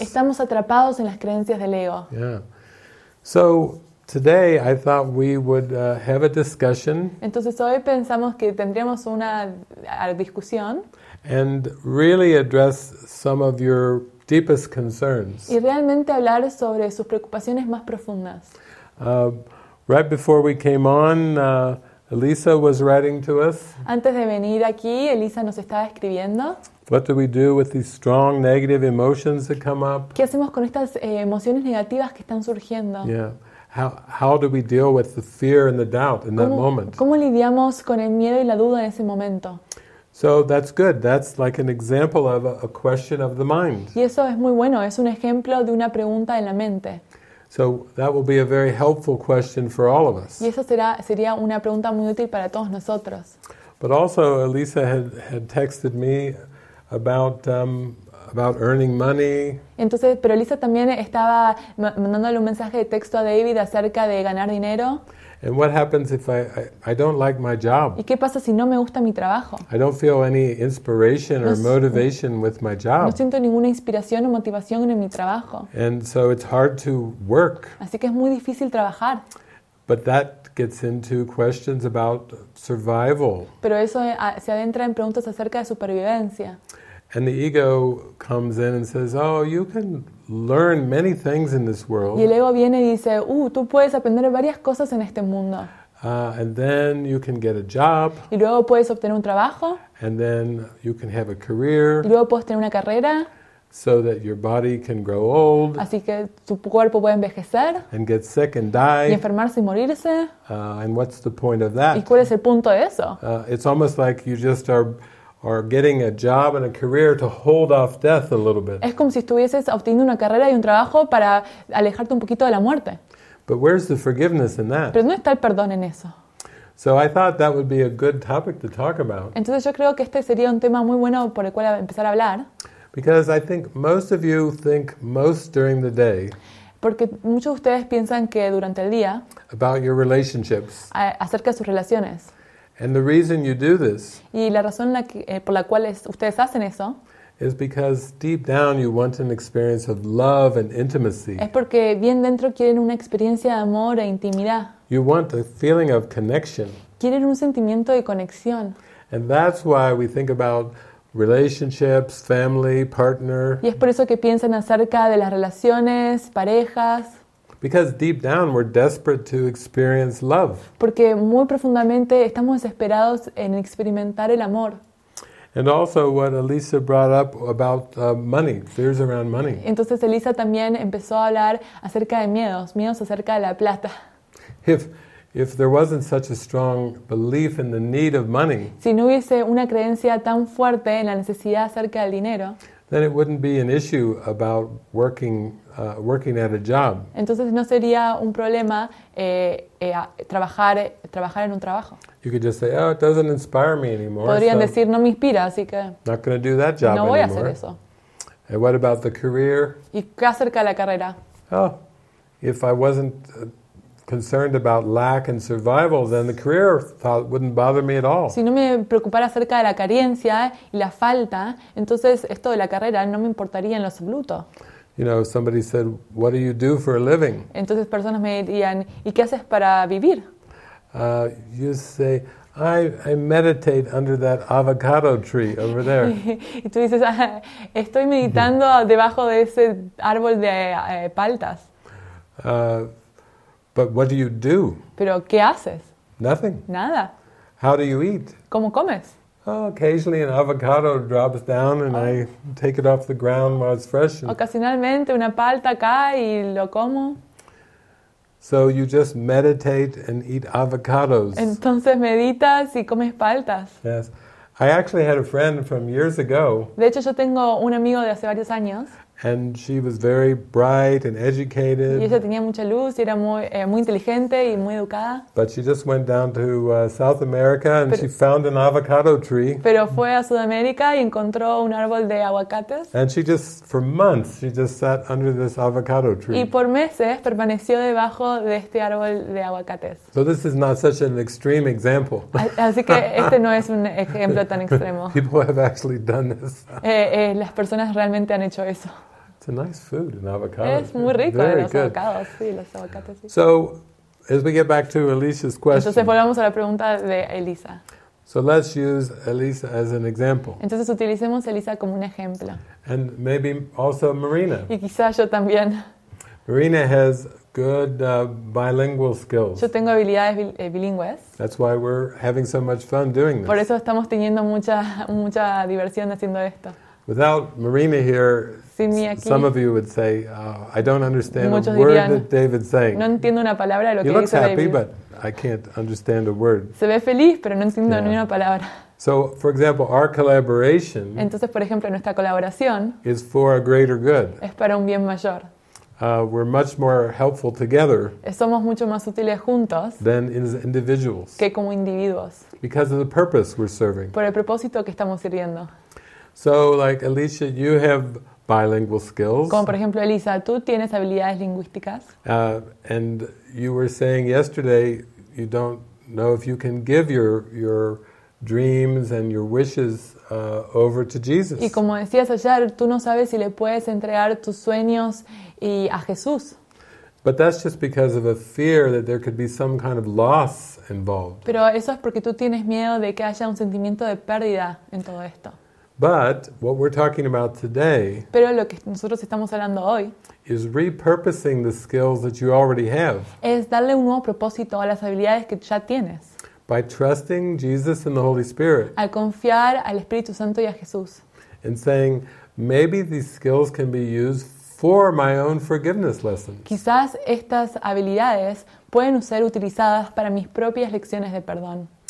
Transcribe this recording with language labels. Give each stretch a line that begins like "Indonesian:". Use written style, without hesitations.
Spanish: Estamos atrapados en las creencias del ego.
English: Yeah. So today I thought we would have a discussion.
Spanish: Entonces hoy pensamos que tendríamos una discusión,
English: and really address some of your deepest concerns.
Spanish: Y realmente hablar sobre sus preocupaciones más profundas.
English: Right before we came on, Elisa was writing to us.
Spanish: Antes de venir aquí, Elisa nos estaba escribiendo.
English: What do we do with these strong negative emotions that come up?
Spanish: ¿Qué hacemos con estas emociones negativas que están surgiendo?
English: Yeah. How do we deal with the fear and the doubt in that moment?
Spanish: ¿Cómo lidiamos con el miedo y la duda en ese momento?
English: So that's good. That's like an example of a question of the mind.
Spanish: Y eso es muy bueno. Es un ejemplo de una pregunta en la mente.
English: So that will be a very helpful question for all of us.
Spanish: Y eso sería una pregunta muy útil para todos nosotros.
English: But also, Elisa had texted me about earning money.
Spanish: Entonces, pero Elisa también estaba mandándole un mensaje de texto a David acerca de ganar dinero.
English: And what happens if I don't like my job?
Spanish: ¿Y qué pasa si no me gusta mi trabajo?
English: I don't feel any inspiration or motivation with my job.
Spanish: No siento ninguna inspiración o motivación en mi trabajo.
English: And so it's hard to work.
Spanish: Así que es muy difícil trabajar.
English: But that gets into questions about survival.
Spanish: Pero eso se adentra en preguntas acerca de supervivencia.
English: And the ego comes in and says, "Oh, you can learn many things in this world."
Spanish: Y el ego viene y dice, tú puedes aprender varias cosas en este mundo.
English: And then you can get a job.
Spanish: Y luego puedes obtener un trabajo.
English: And then you can have a career.
Spanish: Y luego puedes tener una carrera.
English: So that your body can grow old.
Spanish: Así que tu cuerpo puede envejecer.
English: And get sick and die.
Spanish: Y enfermarse y morirse.
English: And what's the point of that?
Spanish: ¿Y cuál es el punto de eso?
English: It's almost like you just are getting a job and a career to hold off death a little bit.
Spanish: Es como si estuvieses obteniendo una carrera y un trabajo para alejarte un poquito de la muerte.
English: But where's the forgiveness in that?
Spanish: Pero ¿dónde está el perdón en eso?
English: So I thought that would be a good topic to talk about.
Spanish: Entonces yo creo que este sería un tema muy bueno por el cual empezar a hablar.
English: Because I think most of you think most during the day.
Spanish: Porque muchos de ustedes piensan que durante el día.
English: About your relationships.
Spanish: Acerca de sus relaciones.
English: And the reason you do this,
Spanish: y la razón por la cual ustedes hacen eso,
English: is because deep down you want an experience of love and intimacy.
Spanish: Es porque bien dentro quieren una experiencia de amor e intimidad.
English: You want a feeling of connection.
Spanish: Quieren un sentimiento de conexión.
English: And that's why we think about relationships, family, partner.
Spanish: Y es por eso que piensan acerca de las relaciones, parejas.
English: Because deep down we're desperate to experience love.
Spanish: Porque muy profundamente estamos desesperados en experimentar el amor.
English: And also what Elisa brought up about money, fears around money.
Spanish: Entonces Elisa también empezó a hablar acerca de miedos, miedos acerca de la plata.
English: If there wasn't such a strong belief in the need of money,
Spanish: si no hubiese una creencia tan fuerte en la necesidad acerca del dinero,
English: then it wouldn't be an issue about working at a job.
Spanish: Entonces no sería un problema trabajar en un trabajo.
English: You could just say, "Oh, it doesn't inspire me anymore."
Spanish: Podrían decir, "No me inspira, así que."
English: Not going to do that job anymore.
Spanish: No voy a hacer eso.
English: And what about the career?
Spanish: ¿Y qué acerca de la carrera?
English: Oh, if I wasn't concerned about lack and survival, then the career thought wouldn't bother me at all.
Spanish: Si no me preocupara acerca de la carencia y la falta, entonces esto de la carrera no me importaría en lo absoluto.
English: You know, somebody said, "What do you do for a living?"
Spanish: Entonces personas me dirían, ¿y qué haces para vivir?
English: You say, I meditate under that avocado tree over there.
Spanish: Y tú dices, estoy meditando debajo de ese árbol de paltas.
English: But what do you do?
Spanish: Pero ¿qué haces?
English: Nothing.
Spanish: Nada.
English: How do you eat?
Spanish: ¿Cómo comes?
English: Oh, occasionally an avocado drops down and I take it off the ground while it's fresh.
Spanish: Ocasionalmente una palta cae y lo como.
English: So you just meditate and eat avocados.
Spanish: Entonces meditas y comes paltas.
English: Yes. I actually had a friend from years ago.
Spanish: De hecho yo tengo un amigo de hace varios años.
English: And she was very bright and educated.
Spanish: Y ella tenía mucha luz y era muy muy inteligente y muy educada.
English: But she just went down to South America and she found an avocado tree.
Spanish: Pero fue a Sudamérica y encontró un árbol de aguacates.
English: And she just, for months, she just sat under this avocado tree.
Spanish: Y por meses permaneció debajo de este árbol de aguacates.
English: So this is not such an extreme example.
Spanish: Así que este no es un ejemplo tan extremo.
English: People have actually done this.
Spanish: Las personas realmente han hecho eso.
English: It's a nice food, an avocado.
Spanish: Es muy rico, los avocados, sí, los avocados, sí.
English: So, as we get back to Elisa's question.
Spanish: Entonces volvamos a la pregunta de Elisa.
English: So let's use Elisa as an example.
Spanish: Entonces utilicemos Elisa como un ejemplo.
English: And maybe also Marina.
Spanish: Y quizás yo también.
English: Marina has good bilingual skills.
Spanish: Yo tengo habilidades bilingües.
English: That's why we're having so much fun doing this.
Spanish: Por eso estamos teniendo mucha diversión haciendo esto.
English: Without Marina here,
Spanish: aquí,
English: some of you would say, "I don't understand a word
Spanish: dirían,
English: that David's saying."
Spanish: No entiendo una palabra de lo
English: he
Spanish: que
English: looks
Spanish: dice
English: happy,
Spanish: David.
English: But I can't understand a word.
Spanish: Se ve feliz, pero no entiendo ni una palabra.
English: So, for example, our collaboration.
Spanish: Entonces, por ejemplo, nuestra colaboración
English: is for a greater good.
Spanish: Es para un bien mayor.
English: We're much more helpful together.
Spanish: Somos mucho más útiles juntos.
English: Than as individuals.
Spanish: Que como individuos.
English: Because of the purpose we're serving.
Spanish: Por el propósito que estamos sirviendo.
English: So, like Alicia, you have bilingual skills.
Spanish: Como por ejemplo, Elisa, tú tienes habilidades lingüísticas.
English: And you were saying yesterday you don't know if you can give your dreams and your wishes over to Jesus.
Spanish: Y como decías ayer, tú no sabes si le puedes entregar tus sueños y a Jesús.
English: But that's just because of a fear that there could be some kind of loss involved.
Spanish: Pero eso es porque tú tienes miedo de que haya un sentimiento de pérdida en todo esto.
English: But what we're talking about today,
Spanish: pero lo que nosotros estamos hablando hoy,
English: is repurposing the skills that you already have.
Spanish: Es darle un nuevo propósito a las habilidades que ya tienes.
English: By trusting Jesus and the Holy Spirit.
Spanish: Al confiar al Espíritu Santo y a Jesús.
English: And saying, maybe these skills can be used for my own forgiveness lessons.
Spanish: Quizás estas habilidades pueden ser utilizadas para mis propias lecciones de perdón.